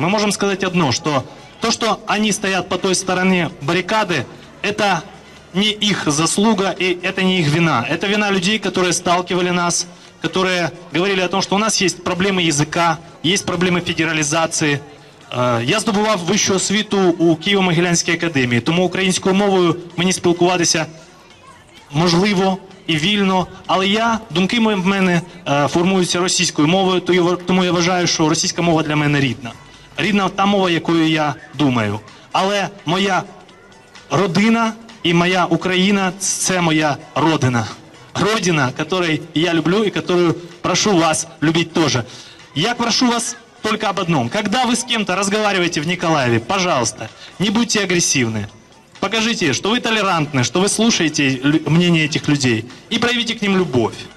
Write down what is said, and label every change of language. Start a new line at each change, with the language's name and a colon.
Russian: Мы можем сказать одно, что то, что они стоят по той стороне баррикады, это не их заслуга и это не их вина. Это вина людей, которые сталкивали нас, которые говорили о том, что у нас есть проблемы языка, есть проблемы федерализации.
Ukrainian: Я здобував вищу освіту у Києво-Могилянській академії, тому українською мовою мені спілкуватися можливо і вільно, але я, думки в мене формуються російською мовою, тому я вважаю, що російська мова для мене рідна. Рідна та мова, якою я думаю. Але моя родина і моя Україна – це моя родина.
Russian: Родина, которую я люблю и которую прошу вас любить тоже. Я прошу вас только об одном. Когда вы с кем-то разговариваете в Николаеве, пожалуйста, не будьте агрессивны. Покажите, что вы толерантны, что вы слушаете мнение этих людей и проявите к ним любовь.